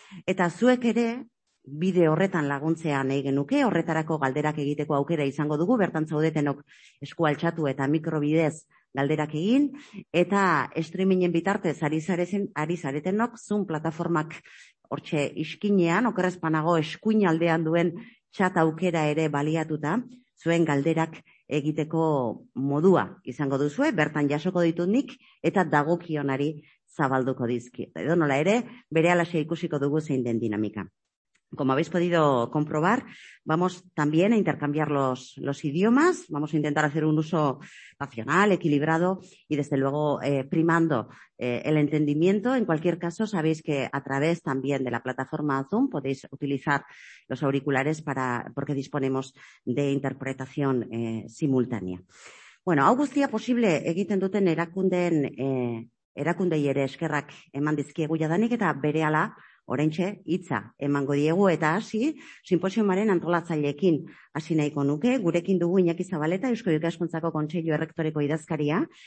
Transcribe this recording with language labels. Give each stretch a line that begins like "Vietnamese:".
Basque: Eta zuek ere bide horretan laguntzea nahi genuke, horretarako galderak egiteko aukera izango dugu, bertan zaudetenok esku altxatu eta mikrobidez galderak egin, eta streamingen bitartez ari zaretenok Zoom plataformak hortxe iskinean, okerrezpanago eskuin aldean duen txat aukera ere baliatuta, zuen galderak egiteko modua izango duzue, bertan jasoko ditunik eta dagokionari zabalduko dizki. Edo nola ere, berehalaxe ikusiko dugu zein den dinamika.
Spanish: Como habéis podido comprobar, vamos también a intercambiar los idiomas, vamos a intentar hacer un uso racional, equilibrado y desde luego primando el entendimiento. En cualquier caso, sabéis que a través también de la plataforma Zoom podéis utilizar los auriculares porque disponemos de interpretación simultánea.
Basque: Bueno, hau guztia posible egiten duten erakundei ere eskerrak eman dizkiegu jadanik eta berehala oraintxe hitza emango diegu eta hasi sinposiumaren antolatzaileekin hasi nahiko nuke. Gurekin dugu Iñaki Zabaleta, Eusko Ikaskuntzako Kontseilu Errektoreko idazkaria.